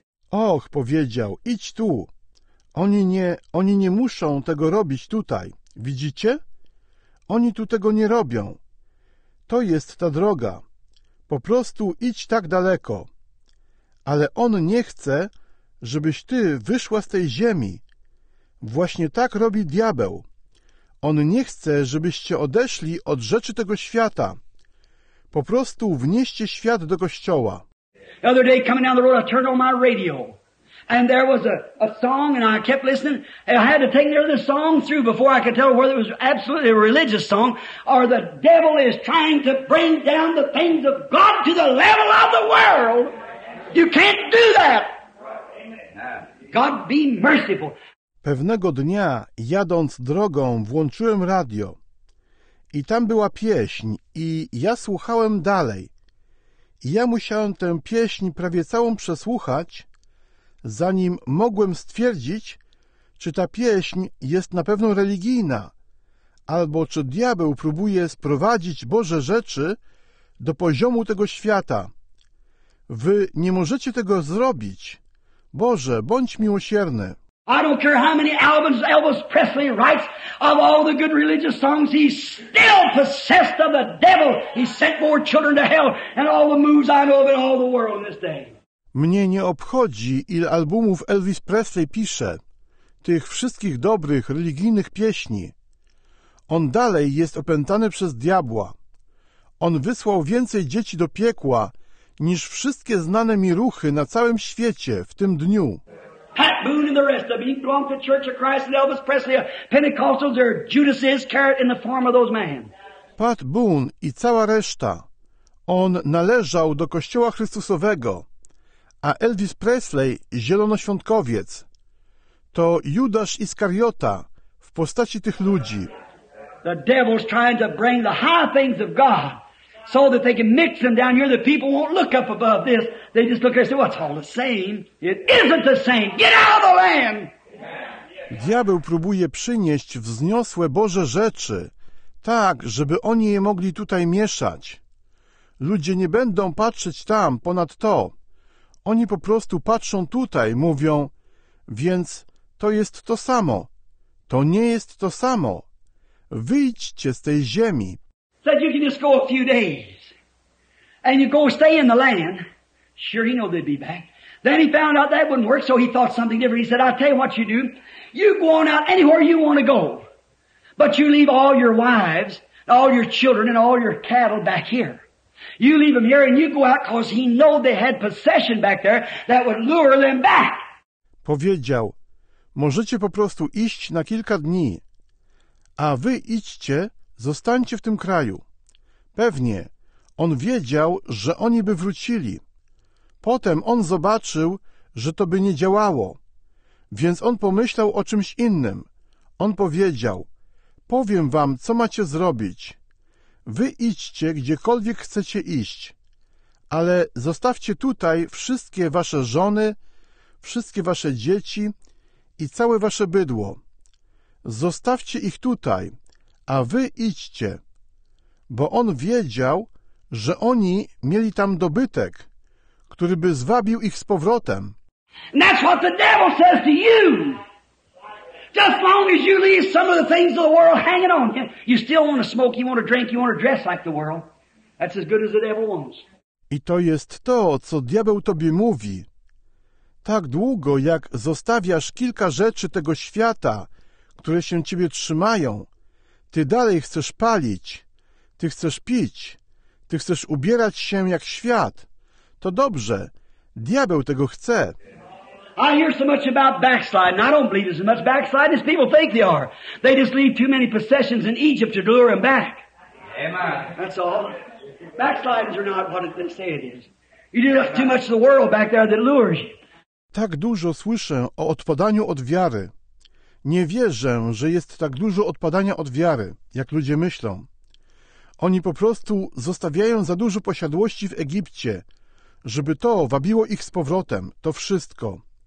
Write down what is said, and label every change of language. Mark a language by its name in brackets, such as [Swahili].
[Polish] Och, powiedział, idź tu. Oni nie muszą tego robić tutaj. Widzicie? Oni tu tego nie robią. To jest ta droga. Po prostu idź tak daleko. Ale on nie chce, żebyś ty wyszła z tej ziemi. Właśnie tak robi diabeł. On nie chce, żebyście odeszli od rzeczy tego świata. Po prostu wnieście świat do kościoła. [English] The other day, coming down the road, I turned on my radio. And there was a song, and I kept listening. And I had to take the song through before I could tell whether it was absolutely a religious song, or the devil is trying to bring down the things of God to the level of the world. You can't do that. God be merciful. [Polish] Pewnego dnia, jadąc drogą, włączyłem radio. I tam była pieśń, i ja słuchałem dalej. I ja musiałem tę pieśń prawie całą przesłuchać, zanim mogłem stwierdzić, czy ta pieśń jest na pewno religijna, albo czy diabeł próbuje sprowadzić Boże rzeczy do poziomu tego świata. Wy nie możecie tego zrobić. Boże, bądź miłosierny. [English] I don't care how many albums Elvis Presley writes of all the good religious songs, he's still possessed of the devil. He sent more children to hell and all the moves I know of in all the world in this day. [Polish] Mnie nie obchodzi, ile albumów Elvis Presley pisze, tych wszystkich dobrych, religijnych pieśni. On dalej jest opętany przez diabła. On wysłał więcej dzieci do piekła niż wszystkie znane mi ruchy na całym świecie w tym dniu. [English] Pat Boone and the rest of them, he belonged to the Church of Christ and Elvis Presley, Pentecostals, or Judas Iscariot in the form of those men. [Polish] Pat Boone i cała reszta, on należał do Kościoła Chrystusowego, a Elvis Presley, zielonoświątkowiec, to Judasz Iskariota w postaci tych ludzi. [English] The devil's trying to bring the high things of God so that they can mix them down here. The people won't look up above this. They just look here and say, well, it's all the same. It isn't the same. Get out of the land! [Polish] Diabeł próbuje przynieść wzniosłe Boże rzeczy tak, żeby oni je mogli tutaj mieszać. Ludzie nie będą patrzeć tam ponad to. Oni po prostu patrzą tutaj, mówią, więc to jest to samo. To nie jest to samo. Wyjdźcie z tej ziemi. [English] Said you can just go a few days and you go stay in the land. Sure, he knew they'd be back. Then he found out that wouldn't work, so he thought something different. He said, I'll tell you what you do. You go on out anywhere you want to go, but you leave all your wives, all your children, and all your cattle back here. You leave them here and you go out, because he knew they had possession back there that would lure them back. [Polish] Powiedział, możecie po prostu iść na kilka dni, a wy idźcie. Zostańcie w tym kraju. Pewnie on wiedział, że oni by wrócili. Potem on zobaczył, że to by nie działało. Więc on pomyślał o czymś innym. On powiedział, powiem wam, co macie zrobić. Wy idźcie, gdziekolwiek chcecie iść. ale zostawcie tutaj wszystkie wasze żony, wszystkie wasze dzieci i całe wasze bydło. Zostawcie ich tutaj, a wy idźcie. Bo on wiedział, że oni mieli tam dobytek, który by zwabił ich z powrotem. [English] And that's what the devil says to you. Just long as you leave some of the things of the world hanging on you, you still want to smoke, you want to drink, you want to dress like the world. That's as good as the devil wants. [Polish] I to jest to, co diabeł tobie mówi. Tak długo, jak zostawiasz kilka rzeczy tego świata, które się ciebie trzymają, ty dalej chcesz palić, ty chcesz pić, ty chcesz ubierać się jak świat. To dobrze, diabeł tego chce. [English] I hear so much about backsliding. I don't believe there's as much backsliding as people think they are. They just leave too many possessions in Egypt to lure them back. Amen. That's all. Backslidings are not what they say it is. You do have too much of the world back there that lures you. [Polish] Tak dużo słyszę o odpadaniu od wiary. Nie wierzę, że jest tak dużo odpadania od wiary, jak ludzie myślą. Oni po prostu zostawiają za dużo posiadłości w Egipcie, żeby to wabiło ich z powrotem, to wszystko.